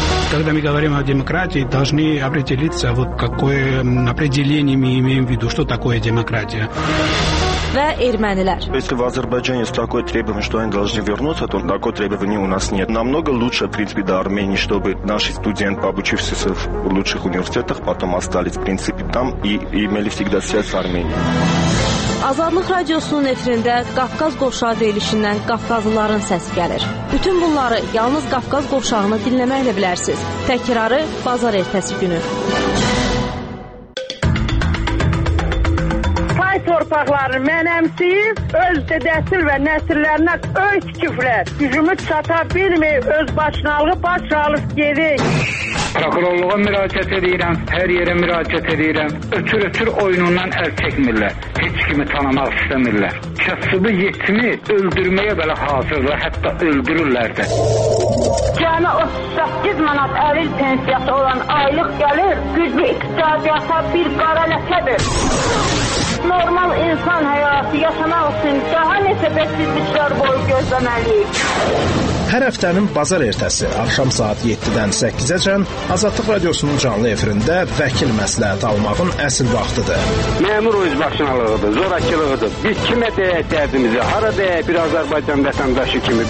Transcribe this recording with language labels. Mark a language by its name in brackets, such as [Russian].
[Russian] Когда мы говорим о демократии, должны определиться, вот какое определение мы имеем в виду, что такое демократия. [Azerbaijani] Və ermənilər. [Russian] Если в Азербайджане есть такое требование, что они должны вернуться, то такое требование у нас нет. Намного лучше, в принципе, до Армении, чтобы наши студенты, обучившиеся в лучших университетах, потом остались, в принципе, там и имели всегда связь с Арменией. [Azerbaijani] Azadlıq radiosunun efirində Qafqaz qovşağı deyilişindən Qafqazlıların səsi gəlir. Bütün bunları yalnız Qafqaz qovşağını dinləməklə bilərsiniz. Təkrarı bazar ertəsi günü. torpaqları mənəmsiz, öz dedəsil və nəsillərinə öz küflər. Gücümü çata bilməyə öz başınalığı baş alıb gedik. Prokurorluğa müraciət edirəm, hər yerə müraciət edirəm. Ötür-ötür oyunundan əl çəkmirlər, heç kimi tanımaq istəmirlər. Kəsibi yetimi öldürməyə belə hazırlar, hətta öldürürlər də. Cəmi 38 manat əlil pensiyası olan aylıq gəlir, güclü iqtisadiyyata bir qara ləkədir. Normal insan həyatı yaşamaq üçün daha neçə bəsizliklər boyu gözləməliyik. Hər həftənin bazar ertəsi, axşam saat 7-dən 8-əcən Azadlıq Radiosunun canlı efirində vəkil məsləhəti almağın əsl vaxtıdır. Məmur öz başınalığıdır, zorakılığıdır. Biz kimə deyək dərdimizi, hara deyək bir Azərbaycan vətəndaşı kimi?